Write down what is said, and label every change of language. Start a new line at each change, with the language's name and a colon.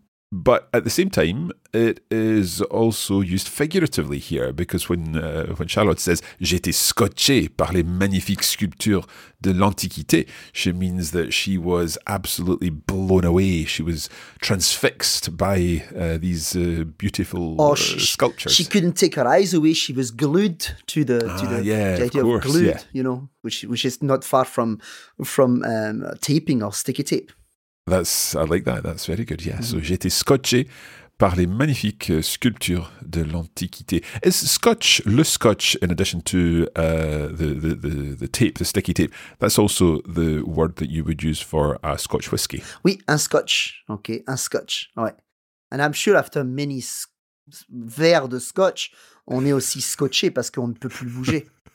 English: But at the same time, it is also used figuratively here, because when Charlotte says,
French: j'ai été scotché par les magnifiques sculptures de l'Antiquité,
English: she means that she was absolutely blown away. She was transfixed by these beautiful sculptures. She couldn't take her eyes away. She was glued to the, idea of glued. You know, which is not far from taping or sticky tape. That's very good, yeah.
French: Mm-hmm. So j'ai été scotché par les magnifiques sculptures de l'Antiquité.
English: Is scotch, le scotch, in addition to the tape, the sticky tape, that's also the word that you would use for a scotch whiskey?
French: Oui, un scotch, okay, un scotch, ouais.
English: And I'm sure after many
French: verres de scotch, on est aussi scotché parce qu'on ne peut plus bouger.